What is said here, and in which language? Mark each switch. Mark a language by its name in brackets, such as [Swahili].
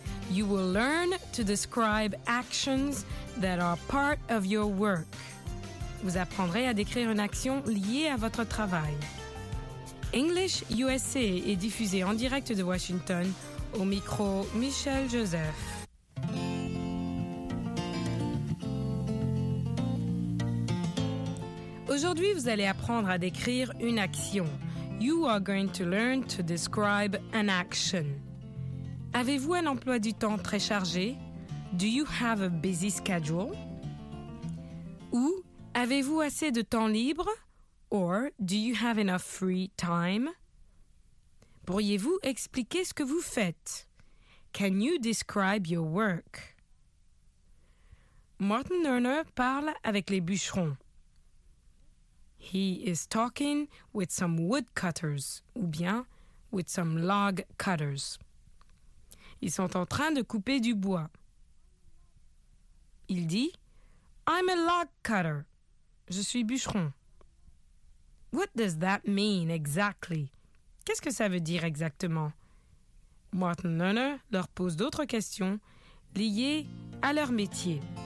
[English] You will learn to describe actions that are part of your work. [French] Vous apprendrez à décrire une action liée à votre travail. English USA est diffusé en direct de Washington. Au micro, Michel Joseph. Aujourd'hui, vous allez apprendre à décrire une action. [English] You are going to learn to describe an action. [French] Avez-vous un emploi du temps très chargé? [English] Do you have a busy schedule? [French] Ou avez-vous assez de temps libre? [English] Or do you have enough free time? [French] Pourriez-vous expliquer ce que vous faites? [English] Can you describe your work? [French] Martin Lerner parle avec les bûcherons. [English] He is talking with some woodcutters, [French] ou bien [English] with some log cutters. [French] Ils sont en train de couper du bois. Il dit, [English] I'm a log cutter. [French] Je suis bûcheron. [English] What does that mean exactly? [French] Qu'est-ce que ça veut dire exactement? Martin Lerner leur pose d'autres questions liées à leur métier.